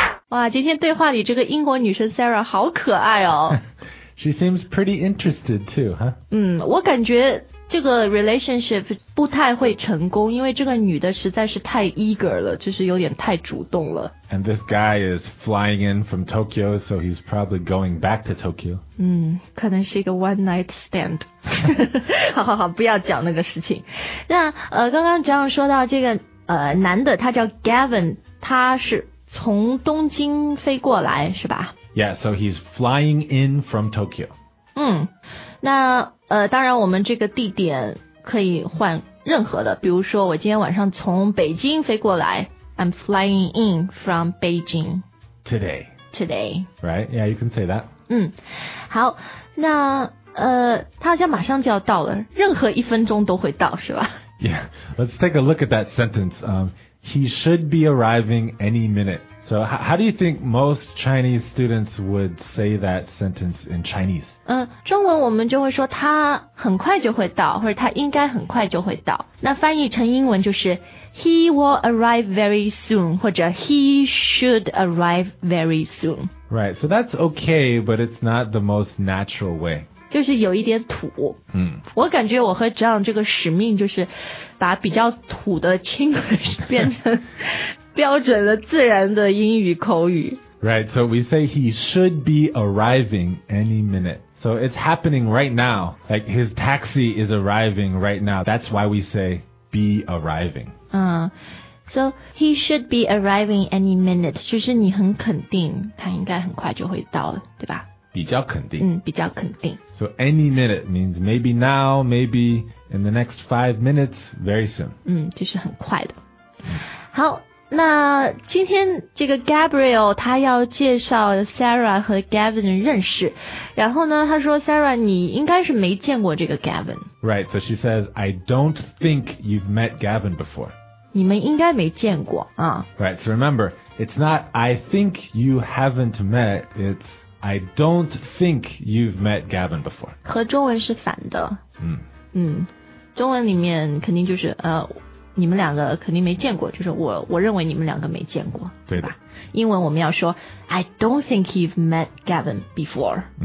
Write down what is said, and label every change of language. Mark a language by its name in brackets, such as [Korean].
[Chinese] Wow, 今天对话里这个英国女生 Sarah 好可爱哦。 [English] She seems pretty interested too, huh? [Chinese] 我感觉这个 relationship 不太会成功，因为这个女的实在是太 eager 了，就是有点太主动了。 [English] And this guy is flying in from Tokyo, so he's probably going back to Tokyo. [Chinese] 可能是一个 [English] one night stand. [Chinese] 好好好，不要讲那个事情。那刚刚John说到这个男的，他叫 Gavin， 他是从东京飞过来，是吧？ [English] Yeah, so he's flying in from Tokyo. [Chinese] 那当然我们这个地点可以换任何的，比如说我今天晚上从北京飞过来， [English] I'm flying in from Beijing today. Right, yeah, you can say that. [Chinese] 好，那他好像马上就要到了，任何一分钟都会到，是吧？ [English] Yeah, let's take a look at that sentence. He should be arriving any minute. So how do you think most Chinese students would say that sentence in Chinese? [Chinese] 中文我们就会说他很快就会到，或者他应该很快就会到。那翻译成英文就是 [English] He will arrive very soon, [Chinese] 或者 [English] He should arrive very soon. Right, so that's okay, but it's not the most natural way. [Chinese] 就是有一点土。我感觉我和 John 这个使命就是把比较土的 English 变成标准的自然的英语口语。 [English] Right, so we say he should be arriving any minute. So it's happening right now. Like his taxi is arriving right now. That's why we say be arriving. So he should be arriving any minute. [Chinese] 就是你很肯定他应该很快就会到了，对吧？比较肯定。比较肯定。 [English] So any minute means maybe now, maybe in the next 5 minutes, very soon. [Chinese] 就是很快的。好，那今天这个 Gabriel 他要介绍 Sarah 和 Gavin 认识，然后呢他说 Sarah 你应该是没见过这个 Gavin。 [English] Right, so she says I don't think you've met Gavin before. [Chinese] 你们应该没见过啊。 [English] Right, so remember, it's not I think you haven't met, it's I don't think you've met Gavin before. [Chinese] 和中文是反的。中文里面肯定就是你们两个肯定没见过，就是我认为你们两个没见过，对吧？英文我们要说 [English] I don't think you've met Gavin before.